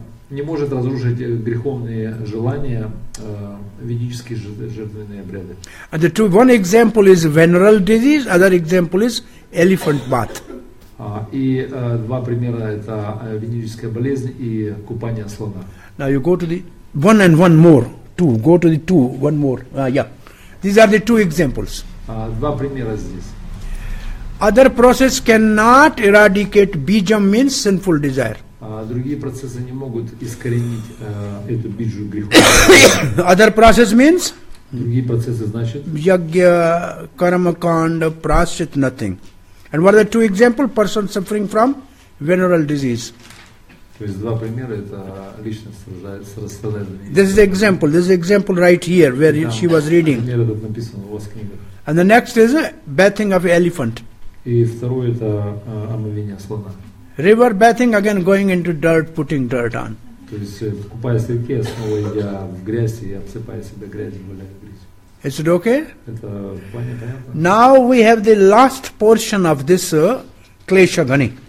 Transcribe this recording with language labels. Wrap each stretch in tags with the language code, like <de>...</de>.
<ru>Не может разрушить греховные желания ведические жертвенные обряды.</ru> <en>And the two, one example is venereal disease, other example is elephant bath.</en> <ru>Два примера это венерическая болезнь и купание слона.</ru> <en>Now you go to the one and one more. Two. Go to the two. One more. Yeah. These are the two examples.</en> <ru>Два примера здесь.</ru> <en>Other process cannot eradicate bijam means sinful desire.</en> <ru>Другие процессы не могут искоренить эту биджу греху.</ru> <en>Other process means?</en> <ru>Другие процессы значат?</ru> <en>Yagya, karma kanda, prashchit, nothing. And what are the two examples? Person suffering from venereal disease.</en> <ru>То есть два примера, это личность страдает.</ru> <en>This is the example. This is the example right here, where yeah, she was reading.</en> <ru>Пример этот написан в вас книгах.</ru> <en>And the next is bathing of elephant.</en> <ru>И второе, это омовение слона.</ru> <en>River bathing, again going into dirt, putting dirt on.</en> <ru>То есть, купаясь в реке, снова идя в грязь и обсыпая себя грязью, валяя грязь.</ru> <en>Is it okay?</en> <ru>Это понятно.</ru> <en>Now we have the last portion of this Klesha Agni.</en>